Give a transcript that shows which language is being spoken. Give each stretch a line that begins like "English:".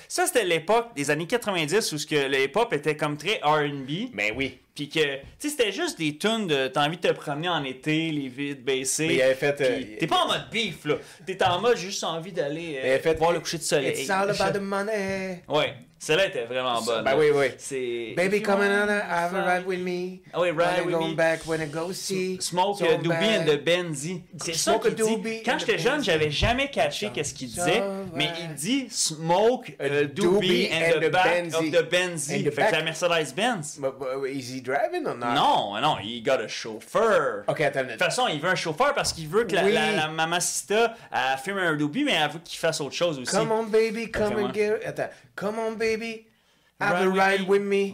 French: Ça, c'était l'époque des années 90 où que le hip-hop était comme très R&B. Ben oui. Puis que, tu sais, c'était juste des tunes de t'as envie de te promener en été, les vides baissées. Mais il avait fait. T'es pas en mode beef, là. T'es en mode juste envie d'aller fait, voir le coucher de soleil.
English: It's all about the money.
French: Ouais, celle-là était vraiment bonne. Ben oui, oui. C'est.
English: Baby, come on, I have a ride with me.
French: Oh, oui,
English: ride with me. Going back when I go see. Smoke so Doobie and the Benzie.
French: C'est smoke ça qu'il dit. Quand j'étais jeune, j'avais jamais catché qu'est-ce qu'il disait. Mais il dit
English: smoke Doobie and the back Benzie. Of the Benzie.
French: Fait que la Mercedes-Benz.
English: Driving or not? Non, he got a chauffeur.
French: Ok, attendez. De toute façon, il veut un chauffeur parce qu'il veut que la mamacita a filmé un doobie, mais elle veut qu'il fasse autre chose aussi.
English: Come on, baby, come and get.
French: Attends.
English: Come on, baby, have ride a ride with me.